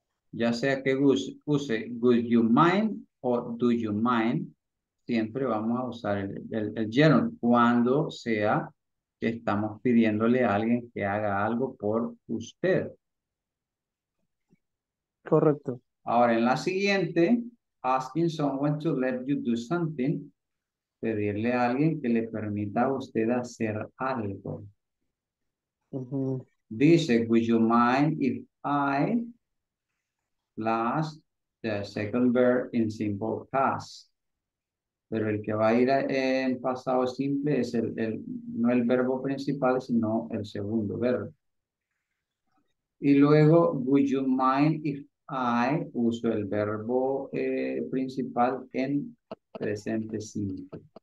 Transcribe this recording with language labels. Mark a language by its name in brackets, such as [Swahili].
[Spanish] Ya sea que use [English] would you mind [Spanish] o [English] do you mind, [Spanish] siempre vamos a usar el gerund cuando sea que estamos pidiéndole a alguien que haga algo por usted. Correcto. Ahora en la siguiente, [English] asking someone to let you do something. [Spanish] Pedirle a alguien que le permita a usted hacer algo. Uh-huh. [English] Dice, would you mind if I plus the second verb in simple past? [Spanish] Pero el que va a ir en pasado simple es el no el verbo principal, sino el segundo verbo. Y luego, [English] would you mind if I [Spanish] uso el verbo principal en presente simple.